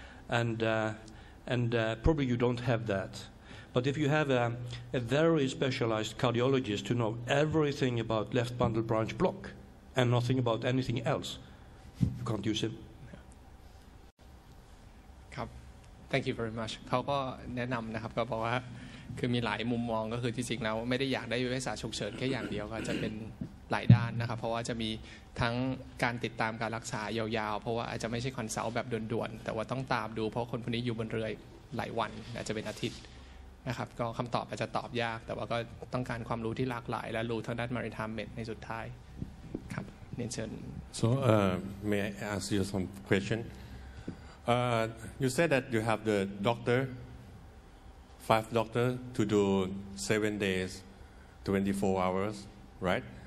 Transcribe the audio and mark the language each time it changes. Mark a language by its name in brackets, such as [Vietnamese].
[English] And probably you don't have that. But if you have a very specialized cardiologist who knows everything about left bundle branch block and nothing about anything else, you can't use him. Thank you very much. [Thai] เขาก็แนะนำนะครับก็บอกว่าคือมีหลายมุมมองก็คือจริงๆแล้วไม่ได้อยากได้เวชศาสตร์ฉุกเฉินแค่อย่างเดียวก็จะเป็นหลายด้านนะครับเพราะว่าจะมีทั้งการติดตามการรักษายาวๆเพราะว่าอาจจะไม่ใช่คอนซัลท์แบบด่วนๆแต่ว่าต้องตามดูเพราะคนคนนี้อยู่บนเรือหลายวันอาจจะเป็นอาทิตย์นะครับก็คำตอบอาจจะตอบยากแต่ว่าก็ต้องการความรู้ที่หลากหลายและรู้ทางด้าน Maritime Med ในสุดท้ายครับเรียนเชิญ [English] So may I ask you some questionyou said that you have the doctor, five doctors to do 7 days, 24 hours, right?